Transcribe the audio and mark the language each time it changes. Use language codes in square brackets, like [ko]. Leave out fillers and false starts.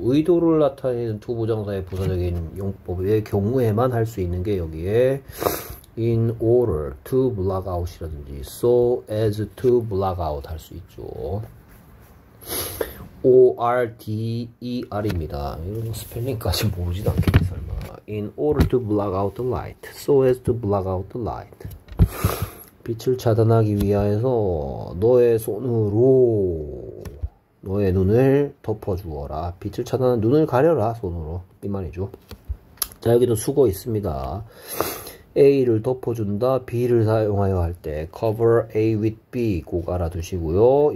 [ko] 의도를 나타내는 to 부정사의 부사적인 용법의 경우에만 할수 있는 게 여기에 [en] in order to block out [ko] 이라든지 [en] so as to block out [ko] 할수 있죠. ORDER입니다. 이런 스펠링까지 모르지도 않겠지 설마. [en] In order to block out the light, so as to block out the light. [ko] 빛을 차단하기 위하여서 너의 손으로 너의 눈을 덮어주어라. 빛을 차단한 눈을 가려라, 손으로. 이 말이죠. 자, 여기도 수거 있습니다. A를 덮어준다, B를 사용하여 할 때, [en] cover A with B [ko] 꼭 알아두시고요.